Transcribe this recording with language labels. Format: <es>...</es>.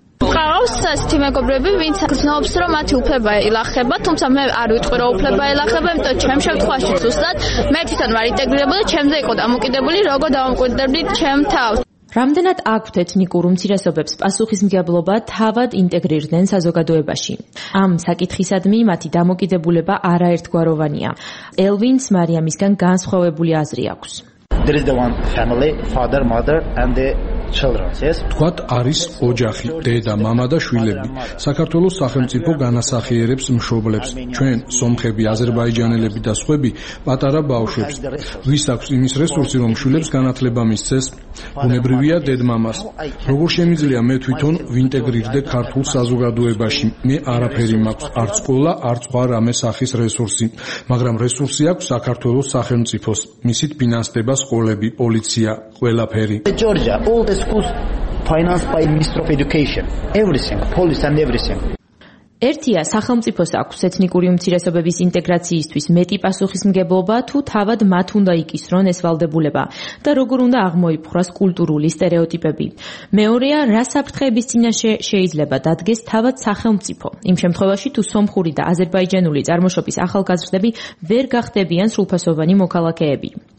<ka>ყავს ესეთი მეგობრები, ვინც გრძნობს, რომ მათი უფლება ელახება, თუმცა მე არ ვიტყვი, რომ უფლება ელახება, იმიტომ რომ ჩემ შემთხვევაში ზუსტად მე თვითონ ვარ ინტეგრირებული, ჩემზე იყო დამოკიდებული, როგორ დავამკვიდრდები ჩემ თავს. რამდენად აქვთ ეთნიკურ უმცირესობებს პასუხისმგებლობა თავად ინტეგრირდნენ საზოგადოებაში? ამ საკითხისადმი მათი დამოკიდებულება არაერთგვაროვანია. ელვინს მარიამისგან განსხვავებული აზრი აქვს.</ka> <en>There is the one family, father, mother and the children.</en> <ka>თქვათ არის ოჯახი, დედა, мама და შვილები. საქართველოს სახელმწიფო განასახიერებს მშობლებს. ჩვენ სომხები, აზერბაიჯანელები და სხვები პატარა ბავშვებს, ვის აქვს იმის რესურსი, რომ შვილებს განათლება მისცეს? ბუნებრივია დედმამას. როგორ შემიძლია მე თვითონ ვინტეგრირდე ქართულ საზოგადოებაში? მე არაფერი მაქვს, არც სკოლა, არც სხვა რამე სახის რესურსი, მაგრამ რესურსი აქვს საქართველოს სახელმწიფოს. მისით ფინანსდება სკოლები, პოლიცია, ყველაფერი.</ka> <en>All the schools financed by Ministry of Education. Everything, police and everything.</en> <ka>ერთია, სახელმწიფოს აქვს ეთნიკური უმცირესობების ინტეგრაციისთვის მეტი პასუხისმგებლობა, თუ თავად მათ უნდა იკისრონ ეს ვალდებულება და როგორ უნდა აღმოიფხვრას კულტურული სტერეოტიპები. მეორეა, რა საფრთხეების წინაშე შეიძლება დადგეს თავად სახელმწიფო იმ შემთხვევაში, თუ სომხური და აზერბაიჯანული წარმოშობის ახალგაზრდები ვერ გახდებიან სრულფასოვანი მოქალაქეები.</ka>